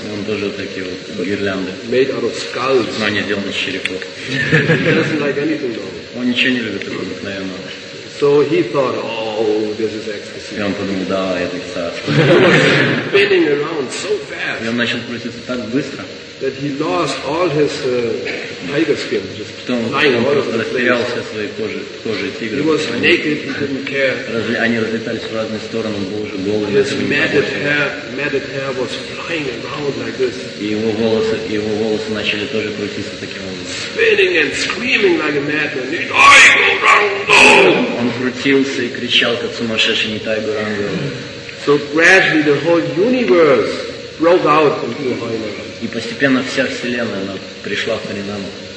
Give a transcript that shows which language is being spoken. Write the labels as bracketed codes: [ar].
[ru] Он тоже такие вот гирлянды. [en] Made out of skulls. [ru] Но они сделаны из черепов. [en] He doesn't like anything normal. [ru] Он ничего не любит такого обыкновенного. [en] So he thought, oh, this is ecstasy. [ru] И он подумал, да, это экстаз. [en] He was spinning around so fast. [ru] И он начал крутиться так быстро. [en] That he lost all his tiger skin, just lying all over the place. [ru] Кожи тигра. [en] He was naked, he didn't care. [ru] Они разлетались в разные стороны, он был уже голый. [en] His matted hair was flying around like this. [ru] И его волосы начали тоже крутиться таким образом. [en] Spinning and screaming like a madman. Nittai go rango! [ru] Он крутился и кричал, как сумасшедший Nittai go rango. [en] So gradually the whole universe broke out into a hyena. [ru] И постепенно вся Вселенная она пришла в Харинаму.